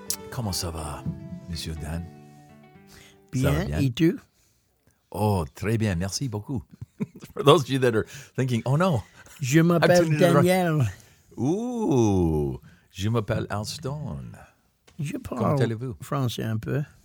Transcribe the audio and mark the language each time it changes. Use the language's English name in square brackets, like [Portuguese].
[French] Comment ça va, Monsieur Dan? Bien, ça va bien, et tu? Oh, très bien, merci beaucoup. [English] For those of you that are thinking, oh no. [French] Je m'appelle Daniel. Ooh, je m'appelle Al Stone. Je parle français un peu.